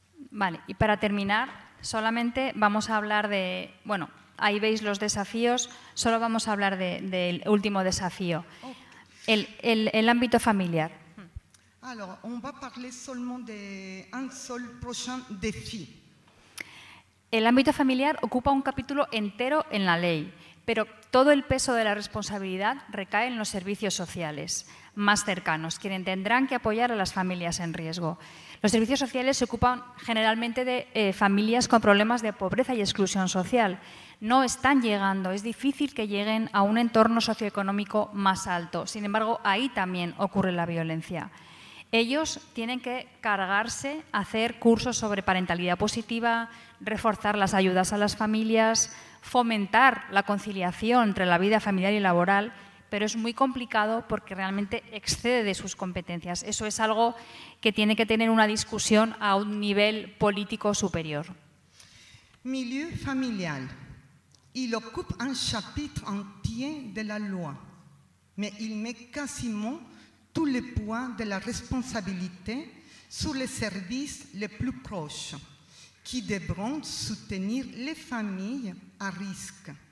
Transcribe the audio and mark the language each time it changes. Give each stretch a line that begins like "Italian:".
Spanish: Vale, y para terminar, solamente vamos a hablar de, bueno, ahí veis los desafíos, solo vamos a hablar del último desafío. El ámbito familiar.
French: Alors, on va parler seulement de un seul prochain défi.
Spanish: El ámbito familiar ocupa un capítulo entero en la ley, pero todo el peso de la responsabilidad recae en los servicios sociales más cercanos, quienes tendrán que apoyar a las familias en riesgo. Los servicios sociales se ocupan generalmente de familias con problemas de pobreza y exclusión social. No están llegando, es difícil que lleguen a un entorno socioeconómico más alto. Sin embargo, ahí también ocurre la violencia. Ellos tienen que cargarse, hacer cursos sobre parentalidad positiva, reforzar las ayudas a las familias, fomentar la conciliación entre la vida familiar y laboral, pero es muy complicado porque realmente excede de sus competencias. Eso es algo que tiene que tener una discusión a un nivel político superior.
French: Milieu familial. Il occupe un chapitre entier de la loi, mais il met quasiment tout le poids de la responsabilité sur les services les plus proches, qui devront soutenir les familles à risque.